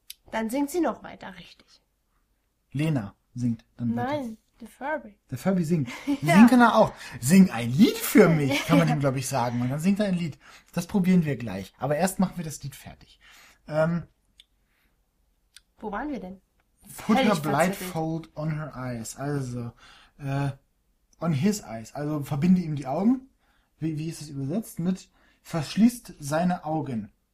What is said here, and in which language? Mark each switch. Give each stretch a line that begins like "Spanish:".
German: Dann singt sie noch weiter, richtig. Lena singt dann Nein, weiter. Nein, der Furby. Der Furby singt. Ja. Singt kann er auch. Sing ein Lied für mich, kann man ihm, glaube ich, sagen. Und dann singt er ein Lied. Das probieren wir gleich. Aber erst machen wir das Lied fertig. Wo waren wir denn?
English: Put her blindfold on her eyes. Also, on his eyes.
German: Also, verbinde ihm die Augen. Wie ist es übersetzt? Mit verschließt seine Augen.